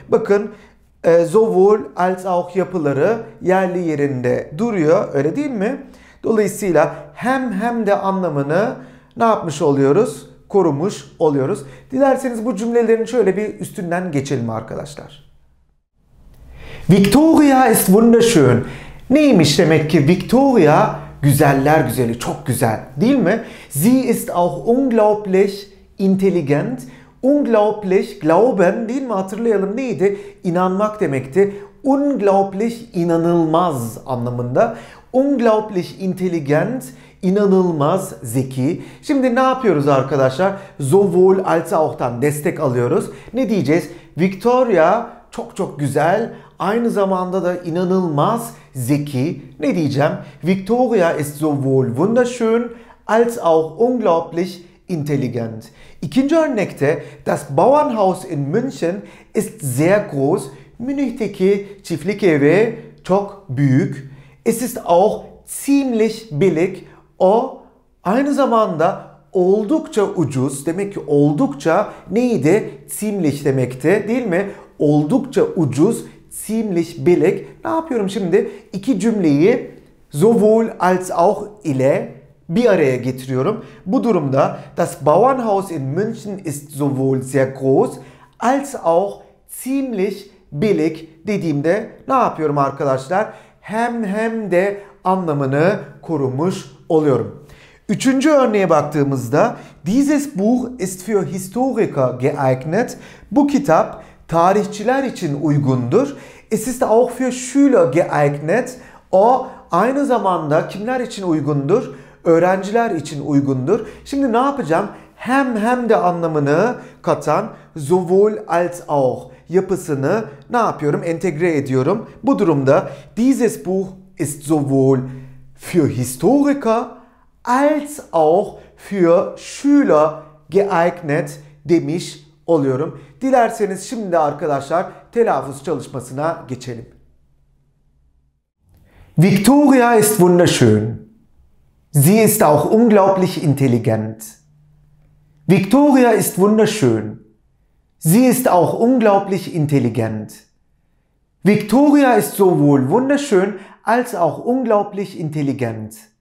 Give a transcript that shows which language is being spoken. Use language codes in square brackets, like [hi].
[tr] Bakın sowohl als auch yapıları yerli yerinde duruyor, öyle değil mi? Dolayısıyla hem de anlamını ne yapmış oluyoruz? Korumuş oluyoruz. Dilerseniz bu cümlelerin şöyle bir üstünden geçelim arkadaşlar. [de] Victoria ist wunderschön. [tr] Neymiş demek ki Victoria? Güzeller güzeli, çok güzel değil mi? [de] Sie ist auch unglaublich intelligent. [tr] Unglaublich, glauben değil mi? Hatırlayalım, neydi? İnanmak demekti. Unglaublich, inanılmaz anlamında. [de] Unglaublich intelligent, [tr] inanılmaz zeki. Şimdi ne yapıyoruz arkadaşlar? Sowohl als auch'tan destek alıyoruz. Ne diyeceğiz? Victoria çok çok güzel, aynı zamanda da inanılmaz zeki. Ne diyeceğim? [de] Victoria ist sowohl wunderschön als auch unglaublich intelligent. [tr] İkinci örnekte [de] das Bauernhaus in München ist sehr groß. [tr] Münih'teki çiftlik evi çok büyük. [de] Es ist auch ziemlich billig. [tr] O aynı zamanda oldukça ucuz. Demek ki oldukça neydi? Ziemlich demekti, değil mi? Oldukça ucuz, [de] ziemlich billig. [tr] Ne yapıyorum şimdi? İki cümleyi sowohl als auch ile bir araya getiriyorum. Bu durumda [de] das Bauernhaus in München ist sowohl sehr groß als auch ziemlich billig [tr] dediğimde ne yapıyorum arkadaşlar? Hem de anlamını korumuş oluyorum. Üçüncü örneğe baktığımızda [de] dieses Buch ist für Historiker geeignet. [tr] Bu kitap tarihçiler için uygundur. [de] Es ist auch für Schüler geeignet. [tr] O aynı zamanda kimler için uygundur? Öğrenciler için uygundur. Şimdi ne yapacağım? Hem de anlamını katan sowohl als auch yapısını ne yapıyorum? Entegre ediyorum. Bu durumda [de] dieses Buch ist sowohl für Historiker als auch für Schüler geeignet [tr] demiş oluyorum. Dilerseniz şimdi arkadaşlar telaffuz çalışmasına geçelim. [de] Victoria ist wunderschön. Sie ist auch unglaublich intelligent. Victoria ist wunderschön. Sie ist auch unglaublich intelligent. Victoria ist sowohl wunderschön als auch unglaublich intelligent.